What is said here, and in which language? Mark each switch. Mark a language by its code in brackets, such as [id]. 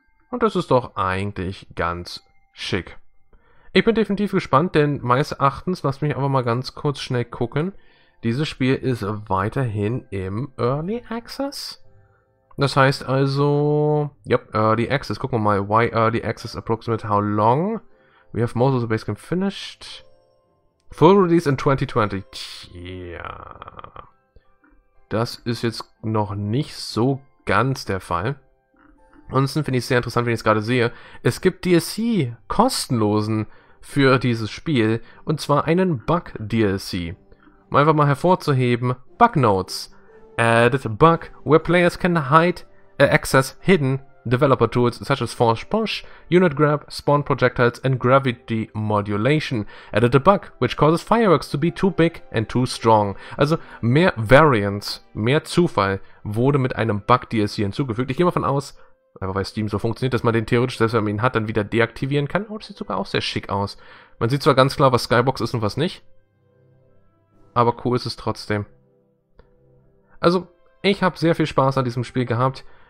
[de] Und das ist doch eigentlich ganz schick. Ich bin definitiv gespannt, denn meines Erachtens, lass mich aber mal ganz kurz schnell gucken. Dieses Spiel ist weiterhin im Early Access. Das heißt also, yep, Early Access. Gucken wir mal, [en] why Early Access approximate how long? We have most of the base game finished. Full release in 2020. Tja. [de] Das ist jetzt noch nicht so ganz der Fall. Ansonsten finde ich es sehr interessant, wenn ich es gerade sehe. Es gibt DLC, kostenlosen für dieses Spiel, und zwar einen Bug-DLC. Um einfach mal hervorzuheben, Bug-Notes. [en] Added bug, where players can hide, access hidden developer tools such as force push, unit grab, spawn projectiles and gravity modulation. Added a bug, which causes fireworks to be too big and too strong. [de] Also mehr Variance, mehr Zufall wurde mit einem Bug-DLC hinzugefügt. Ich gehe mal davon aus, einfach weil Steam so funktioniert, dass man den theoretisch, selbst wenn man ihn hat, dann wieder deaktivieren kann. Oh, das sieht sogar auch sehr schick aus. Man sieht zwar ganz klar, was Skybox ist und was nicht. Aber cool ist es trotzdem. Also, ich habe sehr viel Spaß an diesem Spiel gehabt.